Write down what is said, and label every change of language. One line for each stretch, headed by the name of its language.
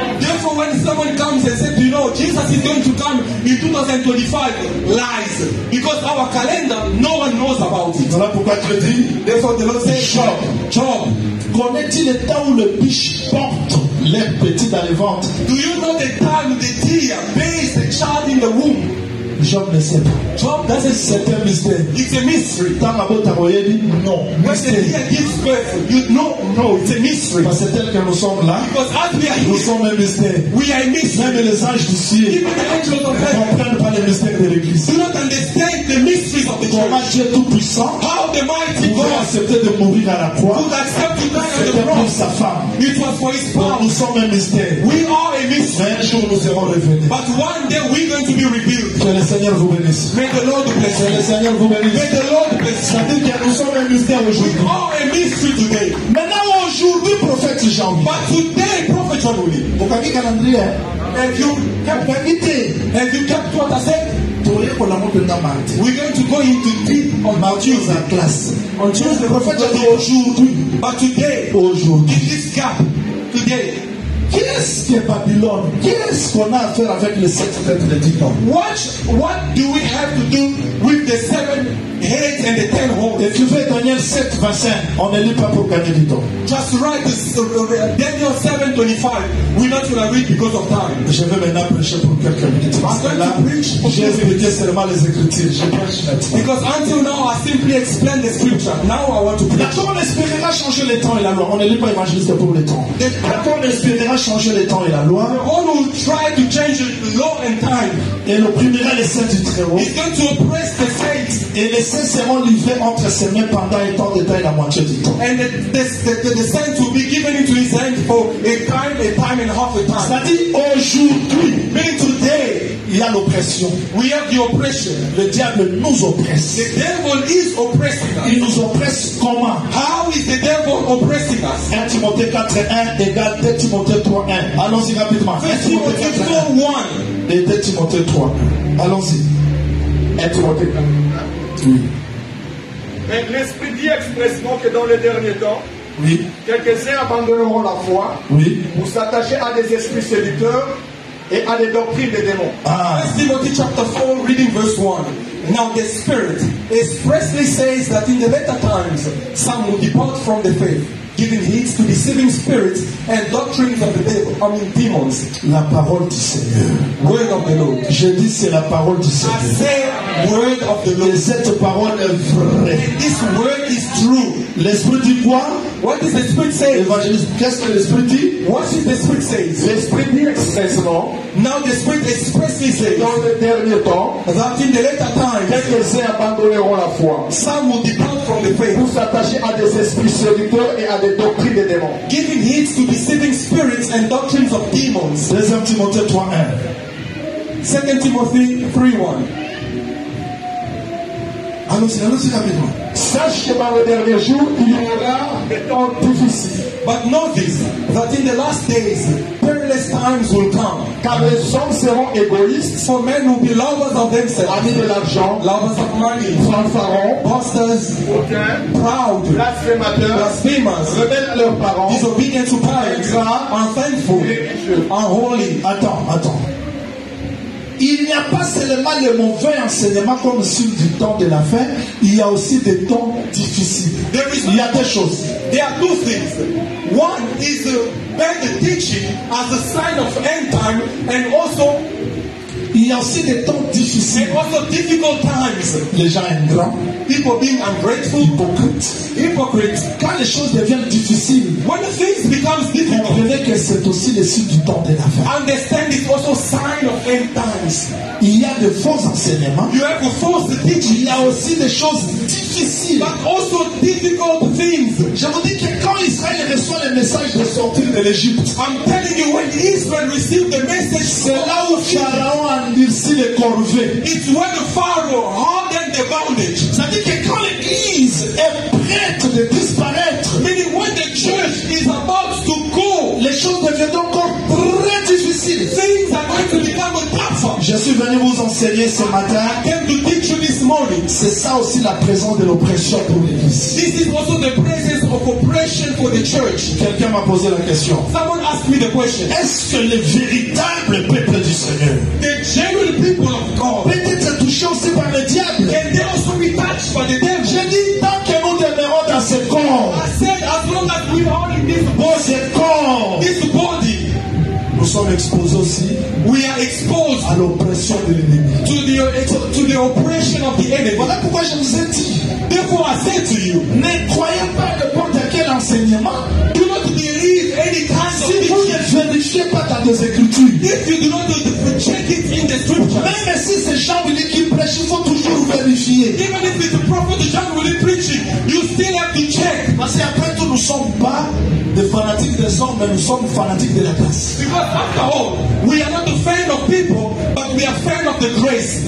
English: Therefore, when someone comes and says, you know, Jesus is going to come in 2025, lies. Because our calendar, no one knows about it. Therefore, the Lord says, Job, Job,
French: connais-tu le temps où le biche porte les petits dans le ventre?
English: Do you know the time the deer bears the child in the womb?
French: Job ne sait pas.
English: Job, that's a certain mystery. It's a mystery.
French: Tant à votre royer,
English: no. Mystery. When the deer gives birth, you know, no, it's a mystery.
French: Parce que tel que nous sommes là,
English: because as we are here,
French: nous sommes un mystère.
English: We are a mystery.
French: Même les anges du ciel,
English: even the angels of heaven,
French: ne comprennent pas les mystères de l'Église.
English: Do not understand the mysteries of the church.
French: Comment Dieu tout puissant,
English: how the mighty God,
French: accepter de mourir à la croix,
English: would accept to die on the cross.
French: C'était pour sa femme.
English: It was for his power.
French: Nous sommes un mystère.
English: We are a mystery.
French: Mais un jour nous serons revenus.
English: But one day we're going to be revealed.
French: Le Seigneur vous bénisse.
English: May the Lord bless.
French: Le Seigneur vous bénisse.
English: May the Lord bless.
French: Ça dit que nous sommes un mystère aujourd'hui.
English: We are a mystery today.
French: Maintenant aujourd'hui, prophète Jean.
English: But today, prophet John Willy.
French: Pour qu'un calendrier.
English: Have you kept your meeting? Have you kept what I said? We're going to go into deep on Matthew's class. On Tuesday, prophet John Willy.
French: Aujourd'hui.
English: But today.
French: Aujourd'hui.
English: In this gap. Today.
French: Qu'est-ce que Babylon? Qu'est-ce qu'on a à faire avec les 7 têtes de 10 cornes?
English: What do we have to do with the 7 heads and the 10 horns?
French: Et tu veux Daniel 7, 25, on ne lit pas pour gagner du temps.
English: Just write Daniel 7, 25. We're not going to read because of time.
French: Je vais maintenant prêcher pour quelques minutes.
English: I'm going to preach.
French: J'ai expliqué seulement les écritures. Je prêche maintenant.
English: Because until now, I simply explained the scripture. Now I want to preach.
French: Comment l'Espérera changer le temps et la loi? On ne lit pas évangéliste pour le temps. Changer les temps et la loi.
English: All who try to change the law and time.
French: Et l'opprimera les saints du Très-Haut.
English: He's going to oppress the saints.
French: Et les saints seront livrés entre ses mains pendant un temps de temps et la moitié du temps.
English: And the saints will be given into his hands for a time and half a time.
French: C'est-à-dire aujourd'hui.
English: Meaning today.
French: Il y a l'oppression.
English: We have the oppression.
French: Le diable nous oppresse.
English: The devil is oppressing us.
French: Il nous oppresse comment?
English: How is the devil oppressing us?
French: 1 Timothée 4, 1 égale 2 Timothée 3, 1. Allons-y rapidement. 1 Timothée 4, 1. Et 2 Timothée 3. Allons-y. 1 Timothée 4, 1. Oui. Mais l'Esprit dit expressement que dans les derniers temps, oui, quelques-uns abandonneront la foi, oui, pour s'attacher à des esprits séducteurs et à des doctrines des démons. Ah.
English: 1 Timothée chapter 4, reading verse 1. Now the Spirit expressly says that in the latter times some will depart from the faith, giving heed to deceiving spirits and doctrines of the devil, I mean demons.
French: La parole du Seigneur.
English: Word of the Lord.
French: Je dis c'est la parole du Seigneur.
English: I say word of the Lord.
French: Et cette parole est vraie.
English: And this word is true.
French: L'Esprit dit quoi?
English: What does the Spirit say?
French: Évangéliste, qu'est-ce que l'Esprit dit?
English: What does the Spirit say?
French: L'Esprit dit expressement.
English: Now the Spirit expressly says.
French: Dans le dernier temps.
English: That in the later times.
French: Quelques-uns abandonneront la foi.
English: Some will depart from the faith.
French: Pour s'attacher à des esprits séducteurs et à des doctrines des démons.
English: Giving heed to deceiving spirits and doctrines of demons.
French: 2 Timothée 3, 1. 2 Timothée 3, 1. Allons-y rapidement. Sache que dans le dernier jour, il y aura des temps difficiles.
English: But know this, that in the last days, perilous times will come.
French: Car les hommes seront égoïstes.
English: For men will be lovers of themselves.
French: Amis de l'argent.
English: Lovers of money.
French: Fanfarons.
English: Boasters.
French: Hautains.
English: Proud.
French: Blasphémateurs.
English: Blasphemers.
French: Rebelles de leurs parents.
English: Disobedient to parents.
French: Ingrats.
English: Unthankful. Unholy.
French: Attends. Il n'y a pas seulement le mauvais enseignement comme signe du temps de la fin, il y a aussi des temps difficiles. Il y a deux choses.
English: There are two things. One is the bad teaching as a sign of end time, and also
French: il y a aussi des temps difficiles.
English: And also difficult times.
French: Les gens ingrats.
English: People being ungrateful.
French: Hypocrites. Quand les choses deviennent difficiles.
English: When things becomes difficult.
French: Comprenez que c'est aussi le signe du temps de la fin.
English: Understand it's also sign of end times.
French: Il y a de faux enseignements.
English: You have a false teaching.
French: Il y a aussi des choses difficiles.
English: But also difficult things.
French: Je vous dis que quand Israël reçoit le message de sortir de l'Égypte.
English: I'm telling you when Israel received the message.
French: C'est là où Pharaon a endurci les corvées.
English: It's when the Pharaoh hardened the bondage.
French: Ça dit que quand l'Église est prête de disparaître,
English: meaning when the church is about to go,
French: les choses deviendront encore très difficiles.
English: Things are going to become tougher.
French: Je suis venu vous enseigner ce matin.
English: I came to teach you this morning.
French: C'est ça aussi la présence de l'oppression pour l'Église.
English: This is also the presence of oppression for the church.
French: Quelqu'un m'a posé la question.
English: Someone asked me the question.
French: Est-ce que le véritable peuple du Seigneur,
English: the genuine people of God,
French: peut-être touché aussi par le diable?
English: Can they also be touched by the devil?
French: Je dis tant que nous demeurons dans ce corps.
English: I said as long as we are in this body, this body,
French: nous sommes exposés aussi.
English: We are exposed
French: à l'oppression de l'ennemi.
English: To the oppression of the enemy.
French: Voilà pourquoi je vous ai dit.
English: Therefore I said to you,
French: ne croyez pas de n'importe quel enseignement.
English: Do not believe any kind
French: si
English: of.
French: Si vous ne vérifiez pas dans les écritures.
English: If you do not check it in the scripture.
French: Même si c'est Jean Willy qui prêche, il faut toujours vérifier.
English: Even if it's the prophet Jean Willy preaching, you still have to check.
French: Parce qu'après tout, nous ne sommes pas des fanatiques des hommes, mais nous sommes fanatiques de la grâce.
English: Because after all, we are not a fan of people, but we are fan of the grace.